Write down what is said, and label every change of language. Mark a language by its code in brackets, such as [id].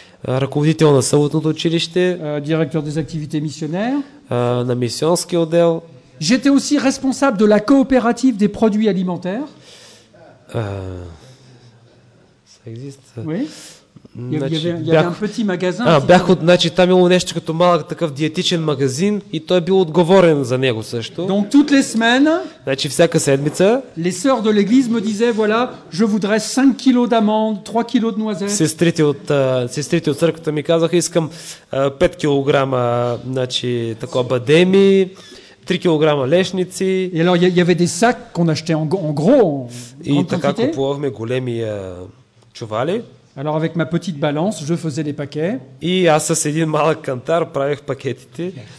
[bg] Ръководител на съботното училище, [fr] директор des activités missionnaires, [bg] на мисионския отдел. [fr] J'étais aussi responsable de la coopérative des produits alimentaires. Ça existe. Oui. Il y avait un petit magasin. [bg] Там имало нещо като малък такъв диетичен магазин и той бил отговорен за него също. [fr] Donc toutes les semaines, [bg] значи всяка седмица, [fr] les sœurs de l'église me disaient voilà, je voudrais 5 kg d'amandes, 3 kg de noisettes. [bg] Сестрите от църквата ми казаха, искам 5 кг, такова бадеми, 3 кг лешници. [fr] Et alors il y avait des sacs qu'on achetait en gros. [bg] И така купувахме големи чували. [fr] Alors avec ma petite balance, je faisais les paquets. [bg] И аз с един малък кантар правих пакетите.